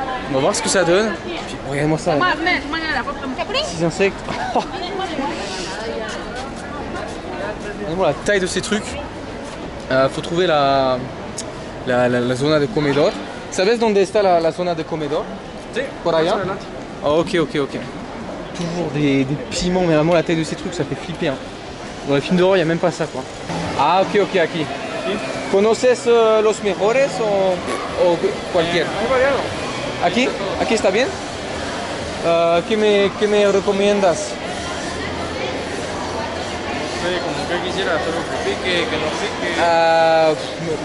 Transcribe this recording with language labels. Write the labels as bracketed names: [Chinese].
[French] On va voir ce que ça donne. Puis, regarde-moi ça. Petits insectes. Regarde-moi la taille de ces trucs. Faut trouver [Spanish] la zona de comedor. ¿Sabes dónde está la zona de comedor? Sí. Por allá. Oh, ok, ok, ok. [French] Toujours des piments, mais vraiment la taille de ces trucs, ça fait flipper. Hein. Dans les films d'horreur, il n'y a même pas ça, quoi. [Spanish] Ah, ok, ok, aquí. Sí. ¿Conoces los mejores o cualquier? Aquí, aquí está bien. ¿Qué me recomiendas? Como que quisiera hacer un pique, que lo pique.